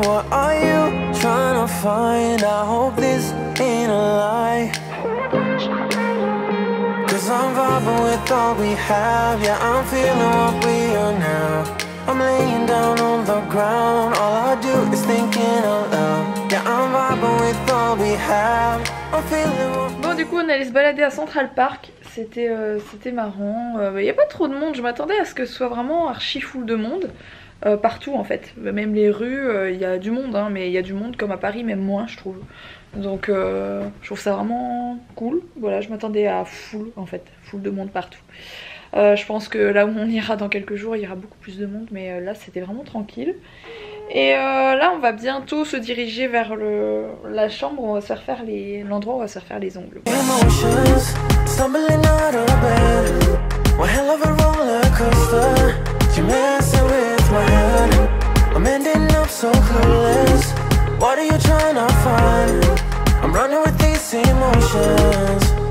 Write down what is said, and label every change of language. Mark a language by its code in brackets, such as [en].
[en] What are you trying to find? I hope this ain't a lie. Cause I'm vibing with all we have. Yeah, I'm feeling what we are now. I'm laying down on the ground. All I do is thinking out loud. Yeah, I'm vibing with all we have. I'm feeling what. [fr] Bon, du coup, on allait se balader à Central Park. C'était marrant. Il n'y a pas trop de monde. Je m'attendais à ce que ce soit vraiment archi full de monde. Partout en fait. Même les rues, il y a du monde. Hein, mais il y a du monde comme à Paris, même moins, je trouve. Donc je trouve ça vraiment cool. Voilà, je m'attendais à full en fait. Full de monde partout. Je pense que là où on ira dans quelques jours, il y aura beaucoup plus de monde. Mais là, c'était vraiment tranquille. Et là, on va bientôt se diriger vers la chambre. Où on va se refaire l'endroit où on va se refaire les ongles. [en] Stumbling out of bed, one hell of a roller coaster. You messing with my head. I'm ending up so clueless. What are you trying to find? I'm running with these emotions.